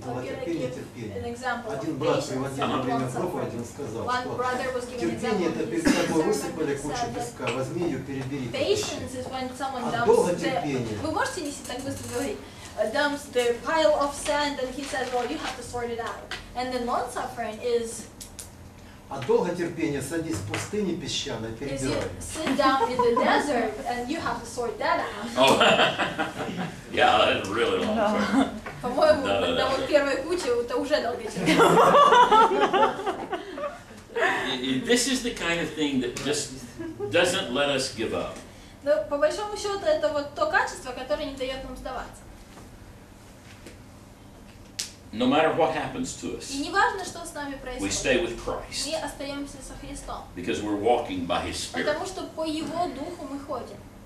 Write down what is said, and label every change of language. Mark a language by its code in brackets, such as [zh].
[ru] Долготерпение, терпение. Один брат приводил во время проповеди, он сказал, [en] one [ru] что терпение это перед собой высыпали кучу песка, возьми ее, перебери. [en] Patience is when someone [ru] долготерпение. Вы можете не так быстро говорить? [en] dumps the pile of sand, and he says, well, you have to sort it out. And then long-suffering is... [ru] А долготерпение садись в пустыне песчаной, перебирай. [en] Sit down in the desert, and you have to sort that out. Oh. Yeah, that's really long. No. [ru] По-моему, когда вот первая куча, это уже долготерпение. [en] This is the kind of thing that just doesn't let us give up. [ru] Но, по большому счету, это вот то качество, которое не дает нам сдаваться. [en] No matter what happens to us, [ru] и неважно, что с нами происходит, [en] we stay with Christ. [ru] Мы остаемся со Христом. [en] Because we're walking by His Spirit. [ru] Потому что по Его Духу мы ходим.